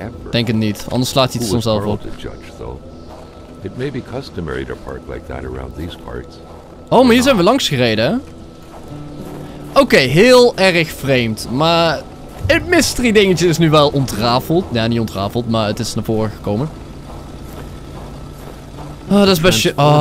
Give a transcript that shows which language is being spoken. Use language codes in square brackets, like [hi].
[nl] Denk het niet, anders slaat hij het soms zelf op. [en] It may be customary to park like that around these parts. [nl] Oh, maar hier zijn we langs gereden. Oké, heel erg vreemd. Maar het mystery dingetje is nu wel ontrafeld. Ja, niet ontrafeld, maar het is naar voren gekomen. Oh, dat is best...